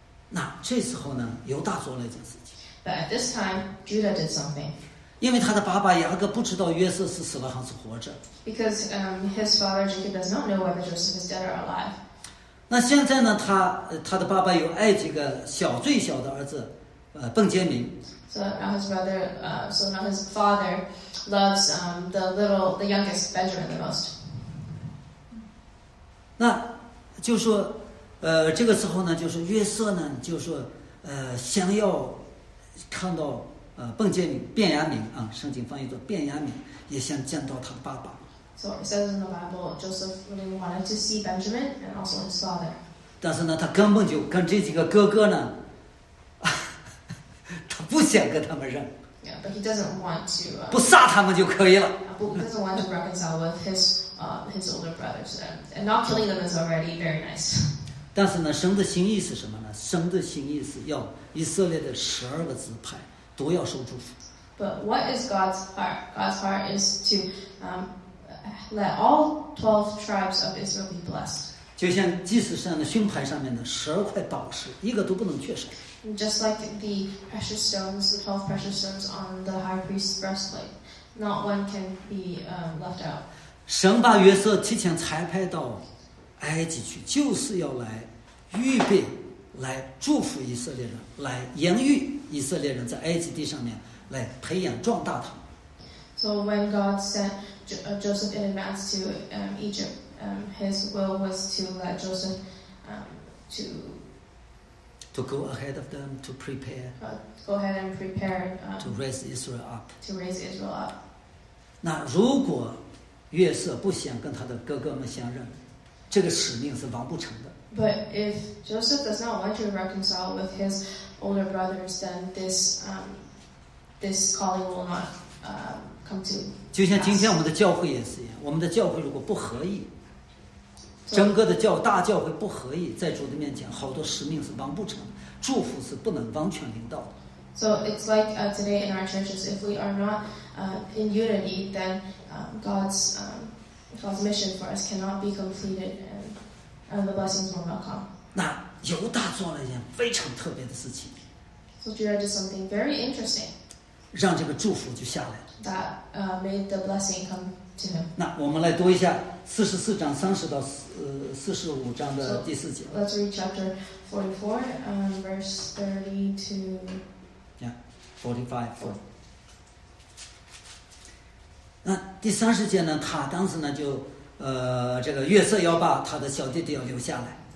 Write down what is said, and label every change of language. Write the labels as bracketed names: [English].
[Chinese] 那这时候呢，犹大做了一件事情。 [English] But at this time, Judah did something. [Chinese] 因为他的爸爸雅各不知道约瑟是死了还是活着。 [English] Because his father Jacob does not know whether Joseph is dead or alive. [Chinese] 那现在呢？他的爸爸有爱这个小最小的儿子，本杰明。 [English] So now his brother, father loves the youngest Benjamin the most. [Chinese] 那就说，这个时候呢，就是约瑟呢，就说，想要看到本杰明便雅悯啊，圣经翻译作便雅悯，也想见到他的爸爸。 [English] So it says in the Bible, Joseph really wanted to see Benjamin and also his father. [Chinese] 但是呢，他根本就跟这几个哥哥呢，他不想跟他们认。 [English] Yeah, but he doesn't want to. [Chinese] 不杀他们就可以了。 [English] He doesn't want to reconcile with his older brothers, and not killing them is already very nice. [Chinese] 但是呢，神的心意是什么呢？神的心意是要以色列的十二个支派都要受祝福。 [English] But what is God's heart? God's heart is to let all 12 tribes of Israel be blessed. [Chinese] 就像祭司上的勋牌上面的十二块宝石，一个都不能缺少。 [English] Just like the precious stones, the 12 precious stones on the high priest's breastplate, not one can be left out. [Chinese] 神把约瑟提前裁派到埃及去，就是要来预备，来祝福以色列人，来养育以色列人在埃及地上面来培养壮大他们。 [English] So when God sent Joseph in advance to Egypt, his will was to let Joseph to go ahead of them, to prepare, go ahead and prepare to raise Israel up. To raise Israel up. [Chinese] 那如果约瑟不想跟他的哥哥们相认，这个使命是完不成的。 [English] But if Joseph does not want to reconcile with his older brothers, then this calling will not come to. [Chinese] 就像今天我们的教会也是一样，我们的教会如果不合意，整个的教大教会不合意，在主的面前，好多使命是完不成，祝福是不能完全领到的。 [English] So it's like today in our churches, if we are not in unity, then God's mission for us cannot be completed, and the blessings will not come. [Chinese] 那犹大做了一件非常特别的事情。 [English] So Judah did something very interesting. [Chinese] 让这个祝福就下来了。 [English] That made the blessing come to him. [Chinese] 那我们来读一下四十四章三十到四十五章的第四节。 [English] So, let's read chapter 44, verse 32. Yeah, 45. [Chinese] 那第三十节呢，他当时呢就这个约瑟要把他的小弟弟要留下来。